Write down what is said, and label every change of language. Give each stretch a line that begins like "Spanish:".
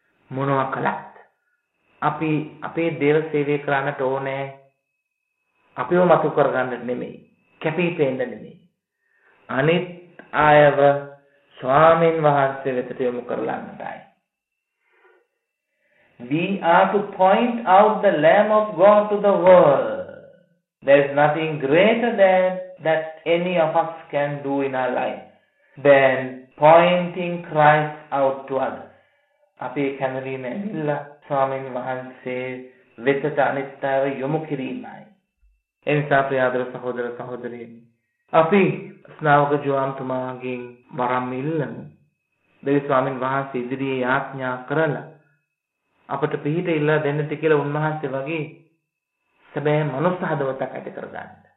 Sinhala: මොනවා කළත් අපි අපේ දේව සේවය කරන්නට ඕනේ අපිව මතු කරගන්න නෙමෙයි, කැපී පෙනෙන්න නෙමෙයි, අනිත් ආයව ස්වාමීන් වහන්සේ වෙතට යොමු කරලන්නටයි.
English: We are to point out the Lamb of God to the world. There is nothing greater than that any of us can do in our life than pointing Christ out to others.
Sinhala: අපි කැමරීම ඇවිල්ලා ස්වාමීන් වහන්සේ වෙතට අනිත්‍යව යොමු කිරීමයි. එනිසා ප්‍රියදර සහෝදර සහෝදරියනි, අපි ස්නාවක ජුවාම්තුමාගෙන් වරම් ඉල්ලමු. දෙවි ස්වාමීන් වහන්සේ ඉදිරියේ යාඥා කරලා අපට පිහිට ඉල්ලා දෙන්නට කියලා උන්වහන්සේ වගේ සැබෑ මනුස්ස හදවතක් ඇති කරගන්න,